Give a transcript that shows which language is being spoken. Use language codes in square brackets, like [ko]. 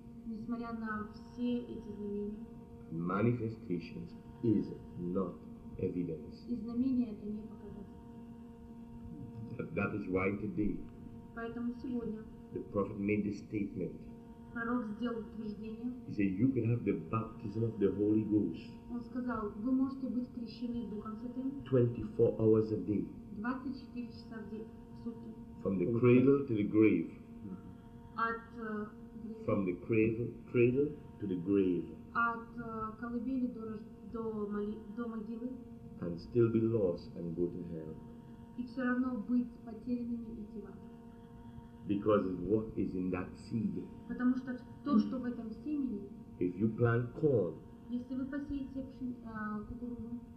[ru] Несмотря на все эти знамения. [en] Manifestations is not evidence. [ru] И знамения это не показатель. [en] That is why today. [ru] Поэтому сегодня. [en] The prophet made a statement. [ru] Пророк сделал утверждение. [en] He said, you can have the baptism of the Holy Ghost. [ru] Он сказал, вы можете быть крещены Духом Святым. [en] 24 hours a day. [ru] 24 часа в сутки. [en] From the cradle to the grave. [ru] От [en] From the cradle to the grave. [ru] От колыбели до могилы. [en] And still be lost and go to hell. [ru] И все равно быть потерянными и идти в ад. [en] Because of what is in that seed. [ru] Потому что то, что в этом семени. [en] If you plant corn. [ru] Если вы посеете кукурузу.